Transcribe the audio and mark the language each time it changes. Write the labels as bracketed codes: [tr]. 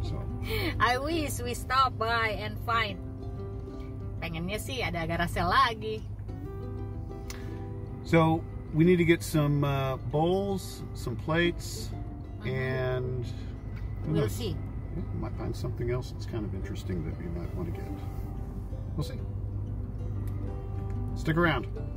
[en] So I wish we stop by and find. [id] Pengennya sih ada garage sale lagi. [en] So we need to get some bowls, some plates, and we'll see. We might find something else that's kind of interesting that we might want to get. We'll see. Stick around.